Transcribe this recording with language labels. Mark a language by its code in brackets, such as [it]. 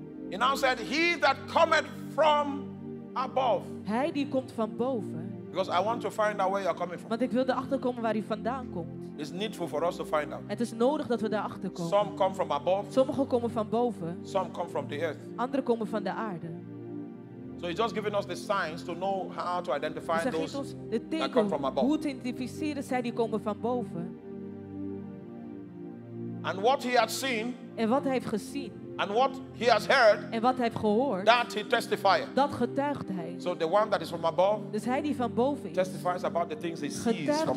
[en] He now said, he that cometh from above. [nl] Hij die komt van boven. [en] Because I want to find out where you are coming from. [nl] Want ik wil erachter komen waar u vandaan komt. [en] It's needful for us to find out. [nl] Het is nodig dat we erachter komen. [en] Some come from above. [nl] Sommigen komen van boven. [en] Some come from the earth. [nl] Anderen komen van de aarde. [en] So he's just giving us the signs to know how to identify [nl] dus [en] those [nl] de teken, [en] that come from above. [nl] Hoe te identificeren zij die komen van boven. [en] And what he had seen. [nl] En wat hij heeft gezien. [en] And what he has heard, [nl] en wat hij heeft gehoord, [en] that he testifies. [nl] Dat getuigt hij. [en] So the one that is from above, [nl] dus hij die van boven is, [en] testifies about the things he sees from